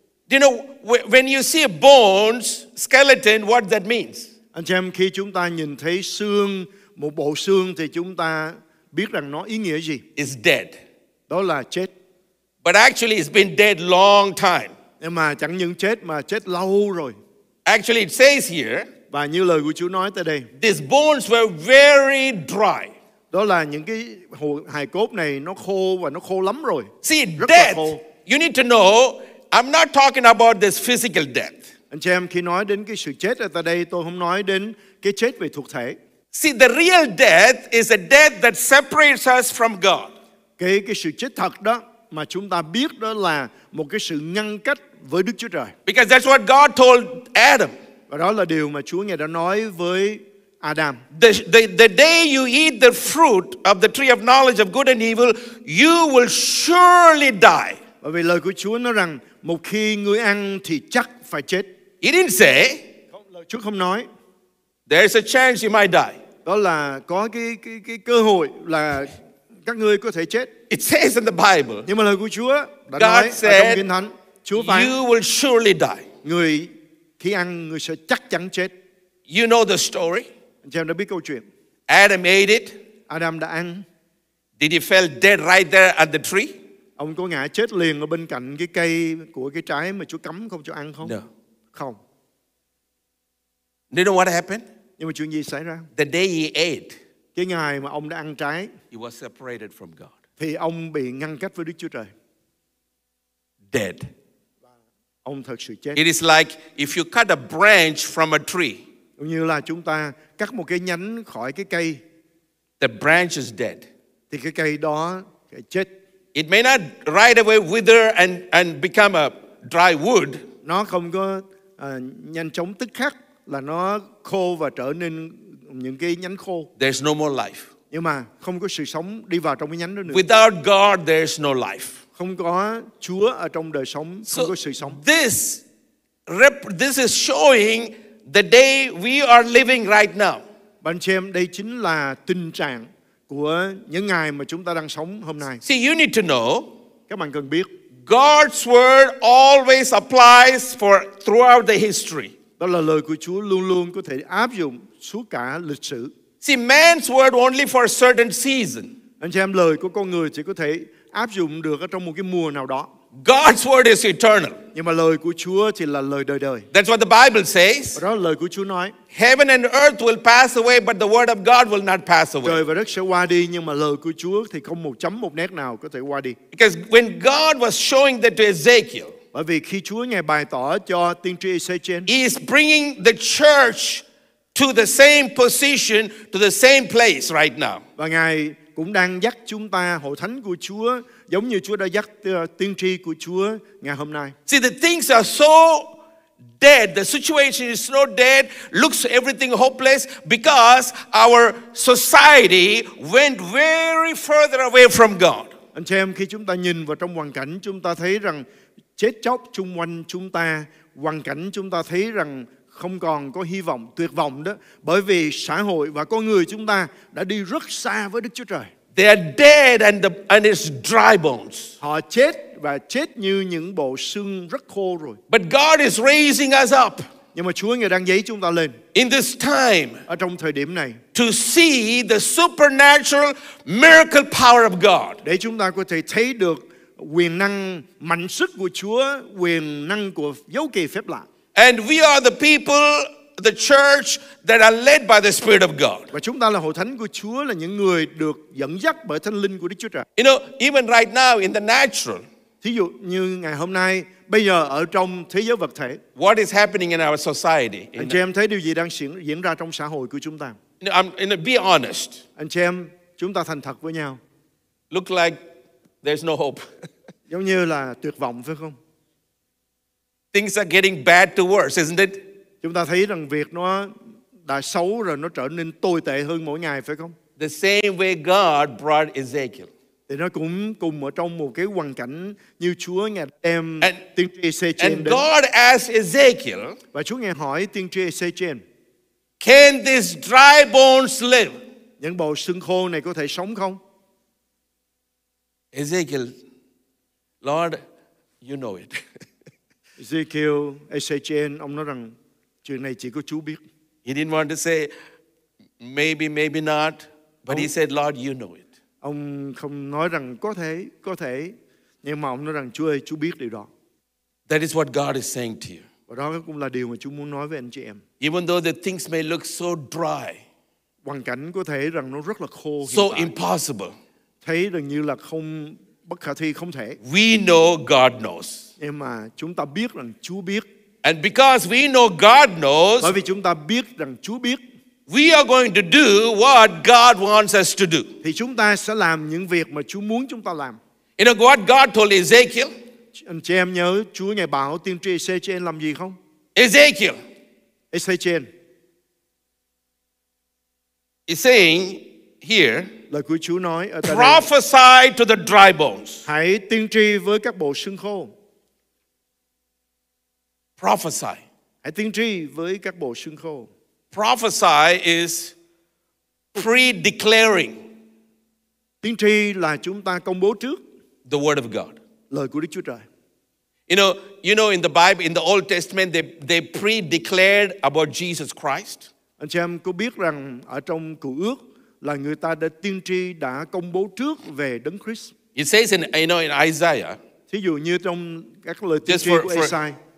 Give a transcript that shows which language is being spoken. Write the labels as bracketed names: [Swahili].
[English] You know, when you see a bones, skeleton, what that means? [Vietnamese] Anh em, khi chúng ta nhìn thấy xương, một bộ xương thì chúng ta biết rằng nó ý nghĩa gì? [English] It's dead. [Vietnamese] Đó là chết. [English] But actually it's been dead long time. [Vietnamese] Nhưng mà chẳng những chết mà chết lâu rồi. [English] Actually it says here, [Vietnamese] và như lời của Chúa nói tại đây, [English] these bones were very dry. [Vietnamese] Đó là những cái hài cốt này nó khô và nó khô lắm rồi. [English] See, death, you need to know, I'm not talking about this physical death. [Vietnamese] Anh chị em, khi nói đến cái sự chết ở tại đây, tôi không nói đến cái chết về thuộc thể. [English] See, the real death is a death that separates us from God. [Vietnamese] Cái sự chết thật đó mà chúng ta biết đó là một cái sự ngăn cách với Đức Chúa Trời. [English] Because that's what God told Adam. [Vietnamese] Và đó là điều mà Chúa Ngài đã nói với Adam. [English] The day you eat the fruit of the tree of knowledge of good and evil, you will surely die. [Vietnamese] Bởi vì lời của Chúa nói rằng một khi ngươi ăn thì chắc phải chết. [English] He didn't say. [Vietnamese] Không, lời Chúa không nói. [English] There's a chance you might die. [Vietnamese] Đó là có cái cơ hội là các ngươi có thể chết. [English] It says in the Bible. [Vietnamese] Nhưng mà lời của Chúa đã [English] God [Vietnamese] nói [English] said, [Vietnamese] trong Kinh Thánh. Chúa phán, [English] you will surely die. [Vietnamese] Người khi ăn người sẽ chắc chắn chết. [English] You know the story. [Vietnamese] Anh em đã biết câu chuyện. [English] Adam ate it. [Vietnamese] Adam đã ăn. [English] Did he fell dead right there at the tree? [Vietnamese] Ông có ngã chết liền ở bên cạnh cái cây của cái trái mà Chúa cấm không cho ăn không? [English] No. [Vietnamese] Không. [English] Do you know what happened? [Vietnamese] Nhưng mà chuyện gì xảy ra? [English] The day he ate. [Vietnamese] Cái ngày mà ông đã ăn trái. [English] He was separated from God. [Vietnamese] Thì ông bị ngăn cách với Đức Chúa Trời. [English] Dead. [Vietnamese] Ông thật sự chết. [English] It is like if you cut a branch from a tree. [Vietnamese] Như là chúng ta cắt một cái nhánh khỏi cái cây. [English] The branch is dead. [Vietnamese] Thì cái cây đó cái chết. [English] It may not right away wither and become a dry wood. [Vietnamese] Nó không có nhanh chóng tức khắc là nó khô và trở nên những cái nhánh khô. [English] There's no more life. [Vietnamese] Nhưng mà không có sự sống đi vào trong cái nhánh đó nữa. [English] Without God, there's no life. [Vietnamese] Không có Chúa ở trong đời sống, không có sự sống. [English] This is showing the day we are living right now. [Vietnamese] Bạn xem, đây chính là tình trạng của những ngày mà chúng ta đang sống hôm nay. [English] See, you need to know. [Vietnamese] Các bạn cần biết. [English] God's word always applies for throughout the history. [Vietnamese] Đó là lời của Chúa luôn luôn có thể áp dụng suốt cả lịch sử. [English] See, man's word only for a certain season. [Vietnamese] Anh chị em, lời của con người chỉ có thể áp dụng được ở trong một cái mùa nào đó. [English] God's word is eternal. [Vietnamese] Nhưng mà lời của Chúa thì là lời đời đời. [English] That's what the Bible says. [Vietnamese] Đó là lời của Chúa nói. [English] Heaven and earth will pass away, but the word of God will not pass away. [Vietnamese] Trời và đất sẽ qua đi, nhưng mà lời của Chúa thì không một chấm một nét nào có thể qua đi. [English] Because when God was showing that to Ezekiel. [Vietnamese] Bởi vì khi Chúa ngài bày tỏ cho tiên tri Ezekiel. [English] He is bringing the church to the same position, to the same place right now. [Vietnamese] Và ngài cũng đang dắt chúng ta, hội thánh của Chúa, giống như Chúa đã dắt tiên tri của Chúa ngày hôm nay. [English] See, the things are so dead. The situation is so dead. Looks everything hopeless because our society went very further away from God. [Vietnamese] Anh chị em, khi chúng ta nhìn vào trong hoàn cảnh, chúng ta thấy rằng chết chóc chung quanh chúng ta, hoàn cảnh chúng ta thấy rằng không còn có hy vọng, tuyệt vọng đó. Bởi vì xã hội và con người chúng ta đã đi rất xa với Đức Chúa Trời. [English] They are dead and it's dry bones. [Vietnamese] Họ chết và chết như những bộ xương rất khô rồi. [English] But God is raising us up. [Vietnamese] Nhưng mà Chúa ngài đang dấy chúng ta lên. [English] In this time. [Vietnamese] Ở trong thời điểm này. [English] To see the supernatural miracle power of God. [Vietnamese] Để chúng ta có thể thấy được quyền năng mạnh sức của Chúa, quyền năng của dấu kỳ phép lạ. [English] And we are the people, the church that are led by the Spirit of God. [Vietnamese] Và chúng ta là hội thánh của Chúa, là những người được dẫn dắt bởi Thánh Linh của Đức Chúa Trời. [English] You know, even right now in the natural. [Vietnamese] Thí dụ như ngày hôm nay, bây giờ ở trong thế giới vật thể. [English] What is happening in our society? [Vietnamese] Anh chị em thấy điều gì đang diễn ra trong xã hội của chúng ta? [English] Be honest. [Vietnamese] Anh chị em, chúng ta thành thật với nhau. [English] Look like there's no hope. [Vietnamese] Giống như là tuyệt vọng phải không? [English] Things are getting bad to worse, isn't it? [Vietnamese] Chúng ta thấy rằng việc nó đã xấu rồi, nó trở nên tồi tệ hơn mỗi ngày, phải không? [English] The same way God brought Ezekiel. [Vietnamese] Thì nó cũng cùng ở trong một cái hoàn cảnh như Chúa ngài đem tiên tri Ezekiel đến. [English] And God asked Ezekiel. [Vietnamese] Và Chúa ngài hỏi tiên tri Ezekiel. [English] Can these dry bones live? [Vietnamese] Những bò xương khô này có thể sống không? [English] Ezekiel, Lord, you know it. [Vietnamese] Ezekiel, Ezekiel, ông nói rằng chuyện này chỉ có Chúa biết. [English] He didn't want to say maybe, maybe not, but he said, Lord, you know it. [Vietnamese] Ông không nói rằng có thể, nhưng mà ông nói rằng Chúa ơi, Chúa biết điều đó. [English] That is what God is saying to you. [Vietnamese] Và đó cũng là điều mà Chúa muốn nói với anh chị em. [English] Even though the things may look so dry, [Vietnamese] hoàn cảnh có thể rằng nó rất là khô, [English] so impossible, [Vietnamese] thấy rằng như là không bất khả thi, không thể. [English] We know God knows. [Vietnamese] Nhưng mà chúng ta biết rằng Chúa biết. [English] And because we know God knows, [Vietnamese] bởi vì chúng ta biết rằng Chúa biết, [English] we are going to do what God wants us to do. [Vietnamese] Thì chúng ta sẽ làm những việc mà Chúa muốn chúng ta làm. [English] You know what God told Ezekiel? [Vietnamese] Anh chị em nhớ Chúa ngài bảo tiên tri Ezekiel làm gì không? [English] Ezekiel. [Vietnamese] Ezekiel. [English] He's saying here, [Vietnamese] lời của Chúa nói ở đây, [English] prophesy to the dry bones. [Vietnamese] Hãy tiên tri với các bộ xương khô. [English] Prophesy. [Vietnamese] Hãy tiên tri với các bộ xương khô. [English] Prophesy is pre-declaring. [Vietnamese] Tiên tri là chúng ta công bố trước [English] the word of God. [Vietnamese] Lời của Đức Chúa Trời. [English] You know in the Bible, in the Old Testament, they pre-declared about Jesus Christ. [Vietnamese] Anh chị em có biết rằng ở trong Cựu Ước là người ta đã tiên tri đã công bố trước về Đấng Christ. [English] It says in, you know, in Isaiah. [Vietnamese] Thí dụ như trong các lời tiên tri của Isaiah.